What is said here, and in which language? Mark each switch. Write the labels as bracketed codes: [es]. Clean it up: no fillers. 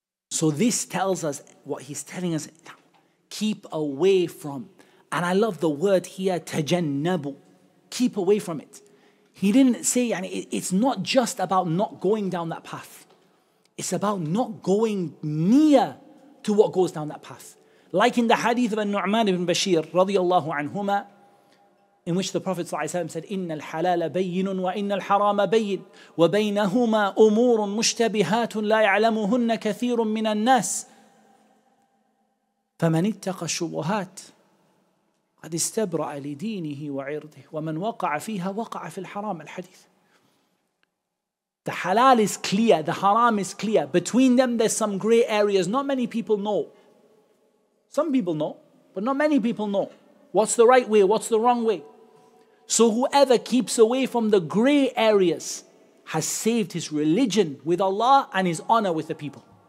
[en] So this tells us what he's telling us. Keep away from. And I love the word here, tajannabu. Keep away from it. He didn't say, and it's not just about not going down that path. It's about not going near to what goes down that path. Like in the hadith of An-Nu'man ibn Bashir, radiallahu anhuma, in which the Prophet ﷺ said, [ar] إِنَّ الْحَلَالَ بَيِّنٌ وَإِنَّ الْحَرَامَ بَيِّنٌ وَبَيْنَهُمَا أُمُورٌ مُشْتَبِهَاتٌ لَا يَعْلَمُهُنَّ كَثِيرٌ مِّنَ النَّاسِ فَمَنِ اتَّقَ الشُّبُهَاتِ قَدْ اسْتَبْرَأَ لِدِينِهِ وَعِرْضِهِ وَمَنْ وَقَعَ فِيهَا وَقَعَ فِي الْحَرَامِ الْحَدِيثِ. [en] The halal is clear, the haram is clear. Between them, there's some gray areas. Not many people know. Some people know, but not many people know. What's the right way? What's the wrong way? So whoever keeps away from the gray areas has saved his religion with Allah and his honor with the people.